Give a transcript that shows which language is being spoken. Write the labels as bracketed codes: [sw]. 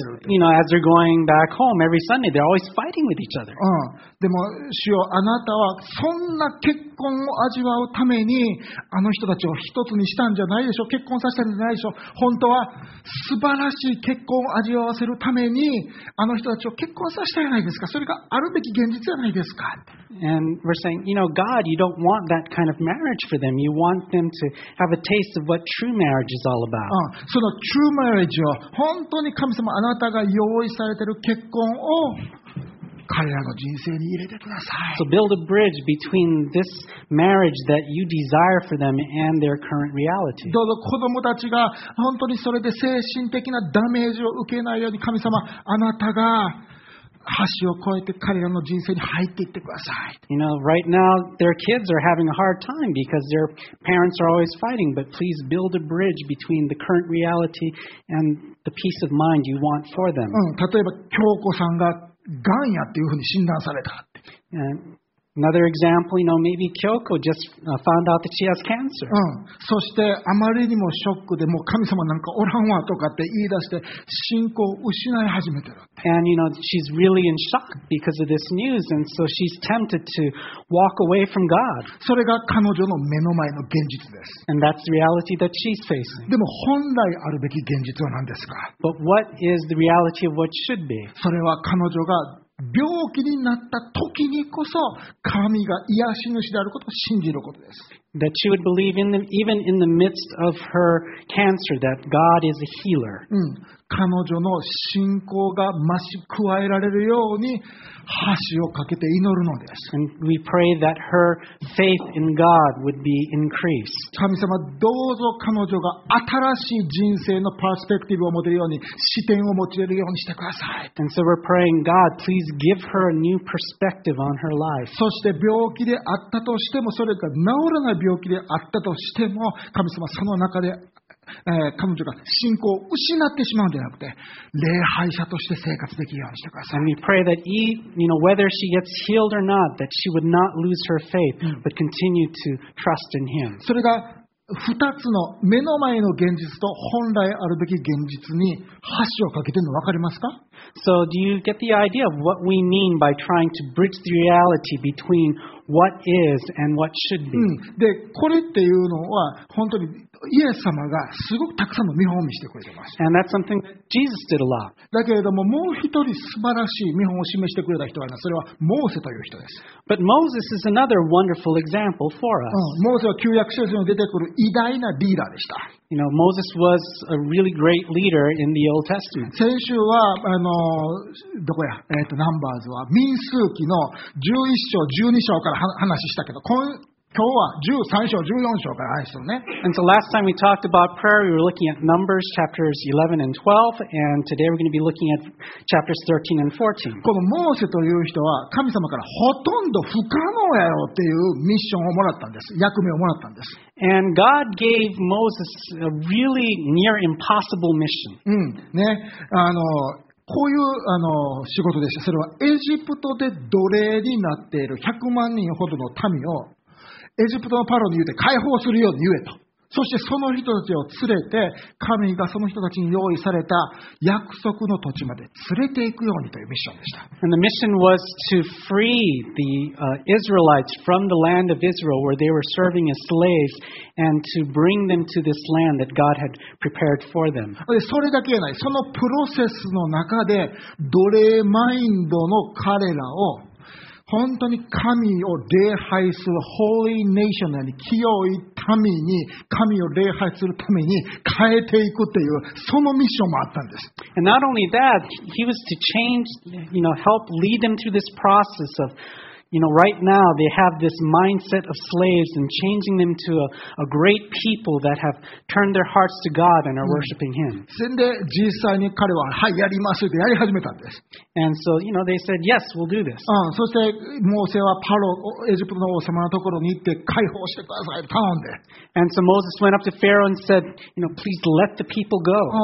[en] You know, as they're going back home every Sunday, they're always fighting with each other. [ja] でも主よ、あなたはそんな結婚を味わうためにあの人たちを一つにしたんじゃないでしょ、結婚させたんじゃないでしょ、本当は素晴らしい結婚を味わわせるためにあの人たちを結婚させたじゃないですか、それがあるべき現実じゃないですか。 [en] And we're saying, you know, God, you don't want that kind of marriage for them. You want them to have a taste of what true marriage is all about. [ja] その [en] true marriage [ja] を本当に神様あなたが用意されている結婚を彼らの人生に入れてください。 [en] So build a bridge between this marriage that you desire for them and their current reality. [ja] どうぞ子供たちが本当にそれで精神的なダメージを受けないように神様、あなたが橋を越えて彼らの人生に入っていってください。 [en] You know, right now their kids are having a hard time because their parents are always fighting. But please build a bridge between the current reality and the peace of mind you want for them. [ja] うん、例えば京子さんが癌やっていうふうに診断されたって。 [en] And another example, you know, maybe Kyoko just found out that she has cancer. [ja] うん。そしてあまりにもショックで、もう神様なんかおらんわとかって言い出して信仰を失い始めてるって。 [en] And you know, she's really in shock because of this news, and so she's tempted to walk away from God. [ja] それが彼女の目の前の現実です。 [en] And that's the reality that she's facing. [ja] でも本来あるべき現実は何ですか？ [en] But what is the reality of what should be? [ja] それは彼女が病気になった時にこそ神が癒し主であることを信じることです。 [en] That she would believe in them, even in the midst of her cancer, that God is a healer. [ja] うん、彼女の信仰が増し加えられるように橋をかけて祈るのです。 [en] And we pray that her faith in God would be increased. [ja] 神様、どうぞ彼女が新しい人生のパースペクティブを持てるように、視点を持ちれるようにしてください。 [en] And so we're praying, God, please give her a new perspective on her life. [ja] そして病気であったとしても、それが治らない病気であったとしても、神様、その中で彼女が信仰を失ってしまうんじゃなくて礼拝者として生活できるようにしてください。 [en] And we pray that he, you know, whether she gets healed or not, that she would not lose her faith, but continue to trust in him. [ja] それが2つの目の前の現実と本来あるべき現実に橋をかけてるの分かりますか？ [en] So do you get the idea of what we mean by trying to bridge the reality between what is and what should be? [ja] うん。で、これっていうのは本当にイエス様がすごくたくさんの見本を見せてくれてます。 [en] And that's something that Jesus did a lot. [ja] だけれどももう一人素晴らしい見本を示してくれた人がいます。それはモーセという人です。 [en] But Moses is another wonderful example for us. [ja] モーセは旧約聖書に出てくる偉大なリーダーでした。 [en] You know, Moses was a really great leader in the Old Testament. [ja] 先週はどこや、ナンバーズは民数記の11章、12章から話したけど、今日は13章、14章から話するね。 [en] And so last time we talked about prayer, we were looking at Numbers chapters 11 and 12, and today we're going to be looking at chapters 13 and 14. [ja] このモーセという人は神様からほとんど不可能やろっていうミッションをもらったんです。役目をもらったんです。 [en] And God gave Moses a really near impossible mission. [ja] うん、ね。こういう仕事でした。それはエジプトで奴隷になっている100万人ほどの民をエジプトのパロに言うて解放するように言えと。そしてその人たちを連れて、神がその人たちに用意された約束の土地まで連れていくようにというミッションでした。 [en] And the mission was to free the Israelites from the land of Israel where they were serving as slaves and to bring them to this land that God had prepared for them. [ja] それだけじゃない。そのプロセスの中で奴隷マインドの彼らを本当に神を礼拝する [en] Holy Nation [ja] に清い民に神を礼拝するために変えていくっていうそのミッションもあったんです。 [en] And not only that, he was to change, you know, help lead them through this process of, you know, right now they have this mindset of slaves and changing them to a great people that have turned their hearts to God and are worshiping Him. [ja] で、実際に彼は、はい、やりますってやり始めたんです。 [en] And so, you know, they said, yes, we'll do this. [ja] そして、モーセはパロ、エジプトの王様のところに行って解放してください、頼んで。 [en] And so Moses went up to Pharaoh and said, you know, please let the people go.